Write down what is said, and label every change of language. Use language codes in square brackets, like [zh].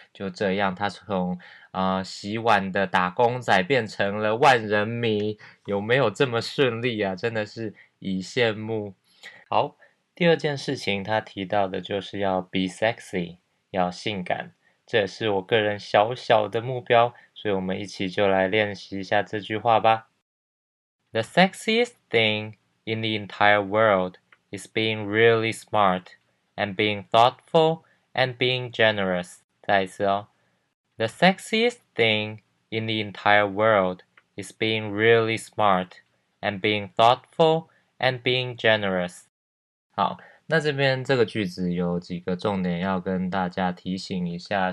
[zh] 就这样，他从洗碗的打工仔变成了万人迷，有没有这么顺利啊？真的是一羡慕。好。第二件事情，他提到的就是要 [en] be sexy， [zh] 要性感，这也是我个人小小的目标，所以我们一起就来练习一下这句话吧。 [en] The sexiest thing in the entire world is being really smart and being thoughtful and being generous。 [zh] 再一次哦。 [en] The sexiest thing in the entire world is being really smart and being thoughtful and being generous。 [zh] 好，那这边这个句子有几个重点要跟大家提醒一下。